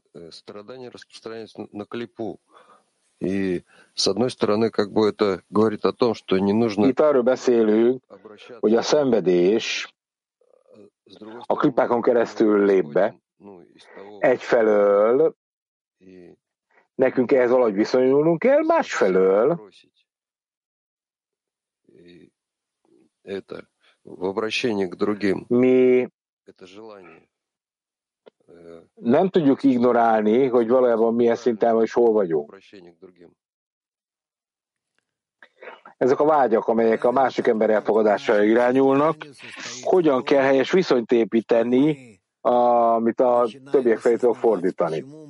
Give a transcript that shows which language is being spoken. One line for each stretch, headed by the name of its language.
Russian: Страдание распространяется на клипу. И с одной стороны, как бы это говорит о том, что не нужно.
Hungarian: Itt arról beszélünk, hogy a szenvedés a klipákon keresztül lép be. Egyfelől nekünk ehhez valahogy viszonyulnunk kell, másfelől.
Russian: Это в обращении к другим.
Hungarian: Mi
Russian: это желание.
Hungarian: Nem tudjuk ignorálni, hogy valójában milyen szinten vagy, és hol vagyunk. Ezek a vágyak, amelyek a másik ember elfogadására irányulnak, hogyan kell helyes viszonyt építeni, amit a többiek felé tudok fordítani.